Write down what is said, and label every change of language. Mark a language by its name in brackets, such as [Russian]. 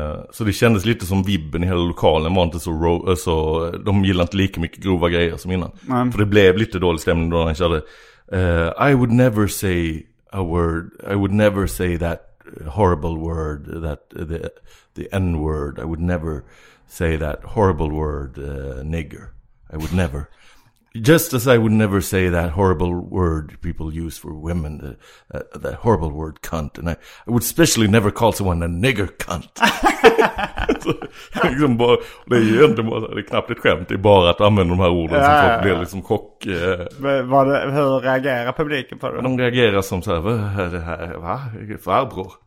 [Swedish] Så det kändes lite som vibben i hela lokalen. Var inte så så de gillade inte lika mycket grova grejer som innan. Mm. För det blev lite dålig stämning då han körde. [English] I would never say a word. I would never say that horrible word. That the N-word. I would never say that horrible word, nigger. I would never. Just as I would never say that horrible word people use for women, that horrible word cunt. And I would especially never call someone a nigger cunt. [Swedish] Liksom bara, det är ju inte bara, det är knappt ett skämt. Det är bara att använda de här orden som folk blir liksom chock. Hur reagerar publiken på det? De reagerar som så här, vad är det här? Va? Farbror?